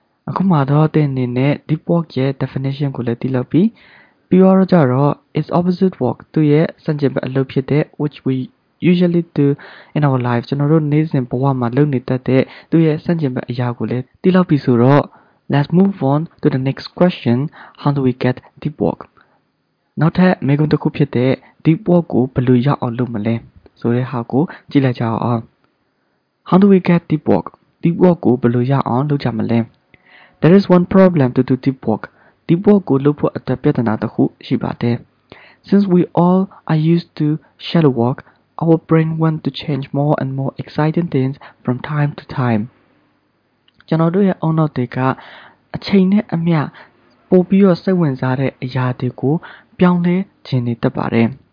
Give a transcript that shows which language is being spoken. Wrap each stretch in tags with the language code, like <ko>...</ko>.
<my>အခုမှာတော့တင်နေတဲ့ deep work ရဲ့ definition ကိုလည်းသိလို့ပြီ။ပြီးတော့ကျတော့</my> <en>its opposite work</en> <my>သူရဲ့စံချိန်ပဲအလုပ်ဖြစ်တဲ့</my> <en>which we usually do in our life</en> <my>ကျွန်တော်တို့နေ့စဉ်ဘဝမှာလုပ်နေတတ်တဲ့သူရဲ့စံချိန်ပဲအရာကိုလည်းသိလို့ပြီဆိုတော့</my> <en>let's move on to the next question how do we get deep work?</en> <my>နောက်ထပ်မေးခွန်းတစ်ခုဖြစ်တဲ့ deep work ကိုဘယ်လိုရောက်အောင်လုပ်မလဲဆိုတဲ့ဟာကိုကြည့်လိုက်ကြအောင်</my> <en>How do we get deep work?</en> <my>Deep work ကိုဘယ်လိုရအောင်လုပ်ကြမလဲ?</my> <en>There is one problem to do deep work.</en> <my>Deep work ကိုလုပ်ဖို့အတွက်ပြဿနာတစ်ခုရှိပါတယ်.</my> <en>Since we all are used to shallow work, our brain wants to change more and more exciting things from time to time.</en> <my>ကျွန်တော်တို့ရဲ့အုံနောက်တွေကအချိန်နဲ့အမျှပိုပြီးတော့စိတ်ဝင်စားတဲ့အရာတွေကိုပြောင်းလဲခြင်းနေတတ်ပါတယ်.</my>